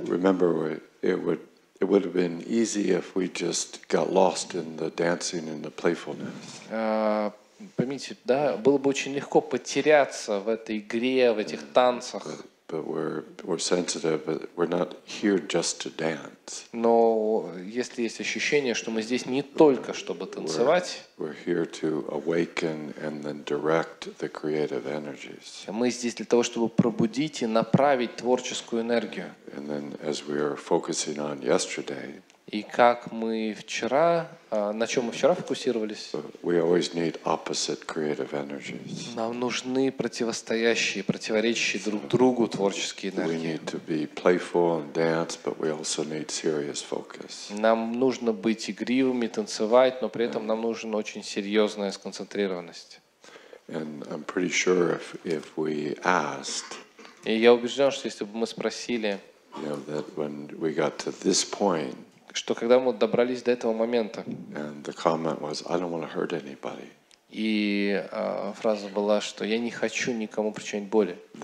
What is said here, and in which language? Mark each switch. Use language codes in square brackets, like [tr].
[en] Remember, it would have been easy if we just got lost in the dancing and the playfulness. [ru] Помните, да, было бы очень легко потеряться в этой игре, в этих танцах. [en] But we're sensitive, but we're not here just to dance. [ru] Но если есть ощущение, что мы здесь не только чтобы танцевать, [en] we're here to awaken and then direct the creative energies. [ru] Мы здесь для того, чтобы пробудить и направить творческую энергию. [en] And then as we are focusing on yesterday, [ru] И как мы вчера, на чем мы вчера фокусировались? [en] We always need opposite creative energies. [ru] Нам нужны противостоящие, противоречащие друг другу творческие энергии. [en] We need to be playful and dance, but we also need serious focus. [ru] Нам нужно быть игривыми, танцевать, но при этом нам нужна очень серьезная сконцентрированность. [en] And I'm pretty sure if we asked. [ru] И я убежден, что если бы мы спросили. [en] You know, that when we got to this point. [ru] Что когда мы добрались до этого момента, [en] was, [ru] и фраза была, что я не хочу никому причинить боли.